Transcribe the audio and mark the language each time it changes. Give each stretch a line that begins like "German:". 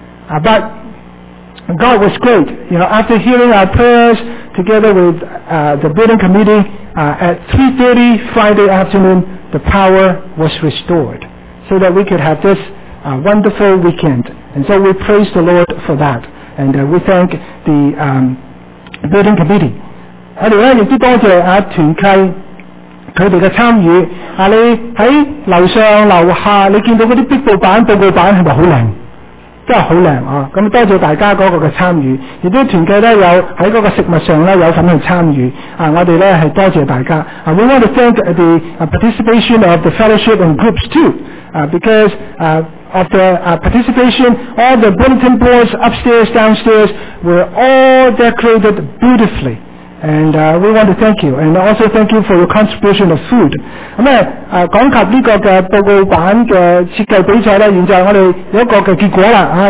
English: But God was great. You know, after hearing our prayers together with the building committee, at 3:30 Friday afternoon, the power was restored so that we could have this wonderful weekend. And so we praise the Lord for that. And we thank the building committee.
Cantonese: 我哋咧亦都多谢啊团契佢哋嘅参与。啊，你喺楼上楼下，你见到嗰啲壁报板、报告板系咪好靓？真係好靚啊！咁多謝大家嗰個嘅參與，亦都團契呢有喺嗰個食物上呢有份去參與啊！我哋呢係多謝大家啊
English: ！We want to thank the participation of the fellowship and groups too because of the participation, all the bulletin boards upstairs, downstairs were all decorated beautifully. And we want to thank you, and also thank you for your contribution of food.
Cantonese: 咁咧，講及呢個嘅報告版嘅設計比賽咧，現在我哋有一個嘅結果啦。